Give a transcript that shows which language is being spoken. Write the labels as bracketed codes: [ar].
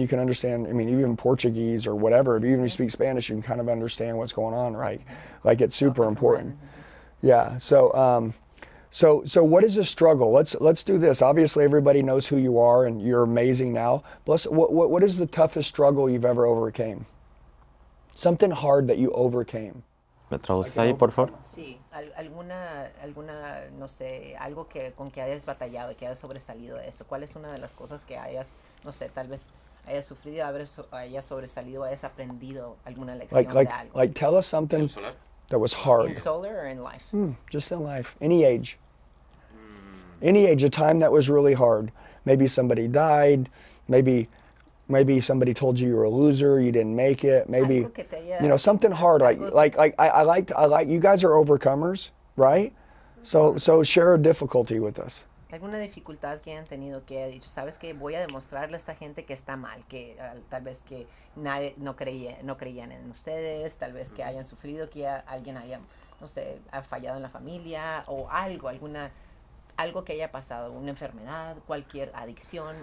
[en] You can understand, I mean, even Portuguese or whatever. If even you speak Spanish, you can kind of understand what's going on, right? Like, it's super important. Yeah. So what is the struggle? Let's do this. Obviously, everybody knows who you are, and you're amazing now. Plus, what is the toughest struggle you've ever overcame? Something hard that you overcame. [es] ¿Me traduces ahí, por favor? Sí. Alguna, no sé, algo que con que hayas batallado, que hayas sobresalido de eso. ¿Cuál es una de las cosas que hayas, no sé, tal vez hayas sufrido, hayas sobresalido, hayas aprendido alguna lección de algo? [en] Like, tell us something that was hard. In solar or in life? Just in life. Any age. Any age, a time that was really hard. Maybe somebody died. Maybe somebody told you you were a loser, you didn't make it. Maybe, you know, something hard. Like you guys are overcomers, right? So share a difficulty with us. [es] Alguna dificultad que han tenido que ha dicho, sabes que voy a demostrarle a esta gente que está mal, que tal vez que nadie no creían en ustedes, tal vez que hayan sufrido, que alguien haya, no sé, ha fallado en la familia o algo, alguna algo que haya pasado, una enfermedad, cualquier adicción.